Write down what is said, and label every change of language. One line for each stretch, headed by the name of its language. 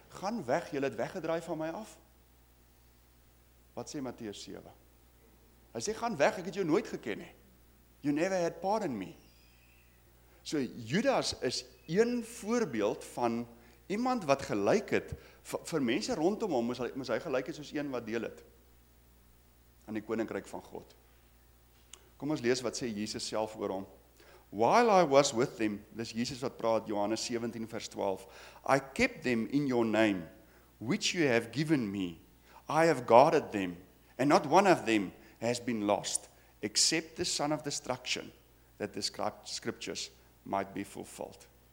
Afrikaans: Gaan weg, julle het weggedraai van my af. Wat sê Matteus 7? Hy sê, gaan weg, ek het jou nooit geken nie.
English: You never had part in me.
Afrikaans: So Judas is een voorbeeld van iemand wat gelyk het, vir mense rondom hom, moes hy gelyk het soos een wat deel het aan die koninkryk van God. Kom ons lees wat sê Jesus self oor hom.
English: While I was with them,
Afrikaans: dis Jesus wat praat, Johannes 17 vers 12,
English: I kept them in your name, which you have given me. I have guarded them, and not one of them has been lost, except the son of destruction that the scriptures might be fulfilled.